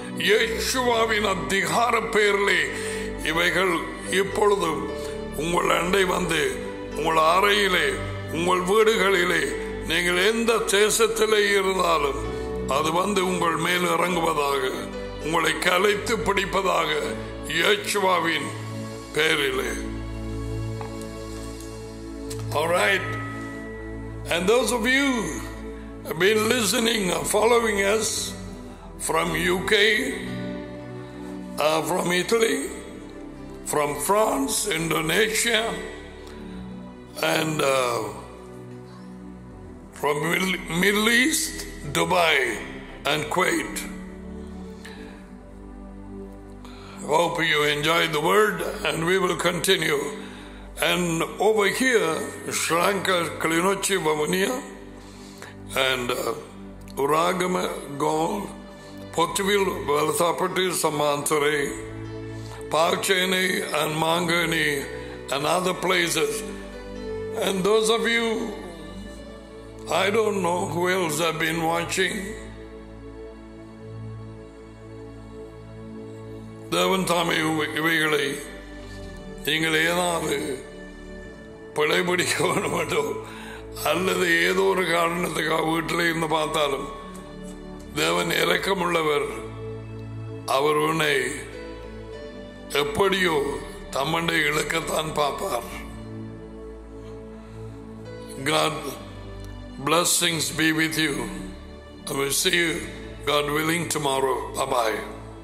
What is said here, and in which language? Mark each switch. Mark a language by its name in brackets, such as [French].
[Tamil] யேசுவாவின் அதிகார பெயரிலே இவைகள் இப்பொழுதும் உங்கள் அண்டை வந்து உங்கள் அறையிலே உங்கள் வீடுகளிலே நீங்கள் எந்த தேசத்திலே இருந்தாலும் அது வந்து உங்கள் மேல் இறங்குவதாக, உங்களை கலைத்து பிடிப்பதாக யேசுவாவின் Perile. [English] All right. And those of you have been listening, following us from UK, from Italy, from France, Indonesia, and from Middle East, Dubai and Kuwait. Hope you enjoyed the word, and we will continue. And over here, Sri Lanka, Klinochi Vamuniya, and Uragama Gol, Potivil Valathapati Samantare, Parcheni and Mangani, and other places. And those of you, I don't know who else have been watching. [Tamil] தேவன் தாமே இவைகளை நீங்கள் ஏதாவது பிழை பிடிக்க வேண்டுமட்டோ அல்லது ஏதோ ஒரு காரணத்துக்காக வீட்டில் இருந்து பார்த்தாலும் தேவன் இரக்கமுள்ளவர். அவர் உன்னை எப்படியோ தம்மண்டை இழுக்கத்தான் பார்ப்பார். [English] God blessings be with you. I will see you, God willing, tomorrow. Bye-bye.